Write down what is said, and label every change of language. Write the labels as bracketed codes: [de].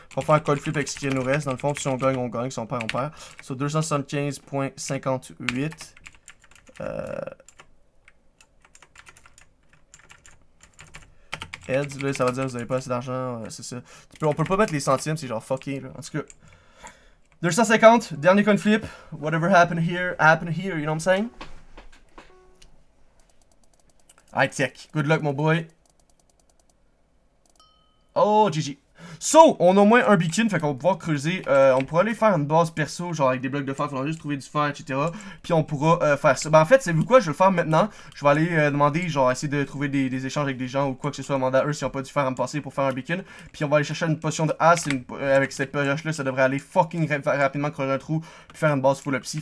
[fr] On va faire un coin flip avec ce qu'il nous reste. Dans le fond, si on gagne, on gagne. Si on perd, on perd. So, 275.58. Ed, là, ça va dire que vous avez pas assez d'argent. C'est ça. On peut pas mettre les centimes. C'est genre fucké, là. En tout cas, 250. Dernier coin flip. [en] Whatever happened here, you know what I'm saying? High tech. Good luck, mon boy. Oh, GG. [fr] So, on a au moins un beacon, fait qu'on va pouvoir creuser. On pourra aller faire une base perso, genre avec des blocs de fer, faudra juste trouver du fer, etc. Puis on pourra faire ça. Ben en fait, c'est vu quoi, je vais le faire maintenant. Je vais aller demander, genre essayer de trouver des échanges avec des gens ou quoi que ce soit, demander à eux s'ils n'ont pas du fer à me passer pour faire un beacon. Puis on va aller chercher une potion de as, avec cette pioche là, ça devrait aller fucking rapidement creuser un trou, puis faire une base full upsie.